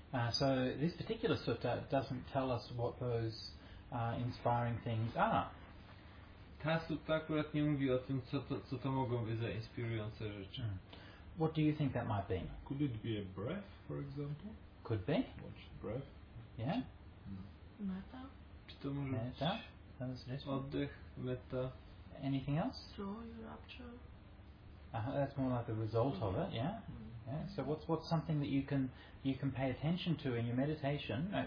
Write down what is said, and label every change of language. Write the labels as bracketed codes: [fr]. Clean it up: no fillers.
[en] So this particular sutta doesn't tell us what those inspiring things are. [pl] Ta sutta akurat nie mówi o tym, co to mogą być za inspirujące rzeczy. [en] What do you think that might be? Could it be a breath, for example? Could be. Watch breath. Yeah. Metta. [pl] Czy to może metta? Być oddech, metta. [en] Anything else? Joy, rapture. That's more like the result of it, yeah? Yeah. So what's something that you can pay attention to in your meditation? Right?